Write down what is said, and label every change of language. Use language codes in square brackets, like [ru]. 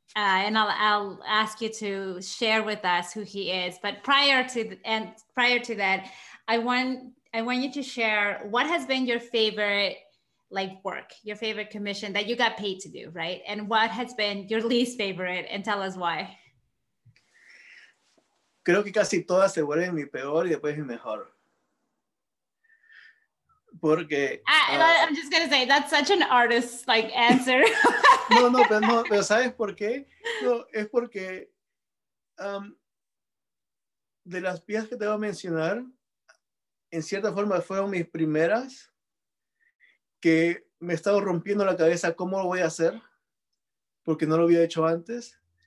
[en] And I'll ask you to share with us who he is. But prior to that, I want you to share what has been your favorite like work, your favorite commission that you got paid to do, right? And what has been your least favorite, and tell us why. [es] Creo que casi todas se vuelven mi peor y después mi mejor. Porque, [en] I'm just going to say, that's such an artist like answer. [es] pero ¿sabes por qué? No, es porque de las piezas que te voy a mencionar, en cierta forma fueron mis primeras que me estaba rompiendo la cabeza cómo lo voy a hacer, porque no lo había hecho antes.